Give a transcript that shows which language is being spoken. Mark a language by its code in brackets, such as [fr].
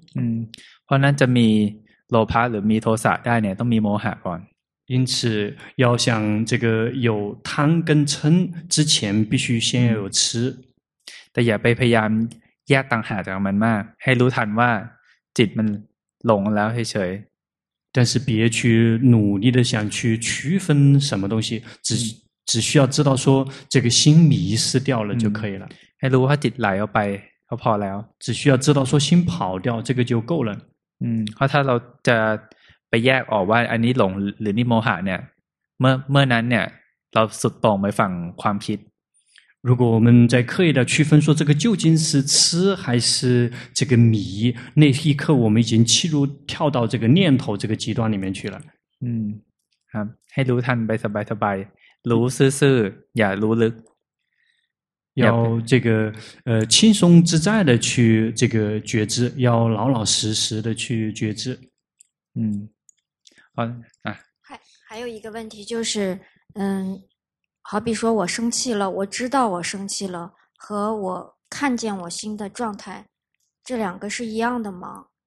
[th] 嗯เพราะนั้นจะมีโลภะหรือมีโทสะได้เนี่ยต้องมีโมหะก่อน [zh] 因此要想这个有贪跟嗔之前必须先有痴 [th] แต่อย่าไปพยายามแยกต่างหากจากมันมากให้รู้ทันว่าจิตมันหลงแล้วเฉย [zh] 但是别去努力的想去区分什么东西只需要知道说这个心迷失掉了就可以了 [th] ให้รู้ว่าจิตไหลออกไปเขาพอแล้ว [zh] 只需要知道说心跑掉这个就够了 [th] 嗯เพราะถ้าเราจะไปแยกออกว่าอันนี้หลงหรือนี่โมหะเนี่ยเมื่อนั้นเนี่ยเราสุดตรงไปฝั่งความคิด [zh] 如果我们在刻意的区分说这个究竟是痴还是这个迷那一刻我们已经切入跳到这个念头这个极端里面去了 [th] 嗯ครับให้รู้ทันไปสบายสบายรู้ซื่อๆอย่ารู้ลึก [zh] 要这个轻松自在的去这个觉知，要老老实实的去觉知。嗯，好啊。还有一个问题就是，好比说我生气了，我知道我生气了，和我看见我心的状态，这两个是一样的吗？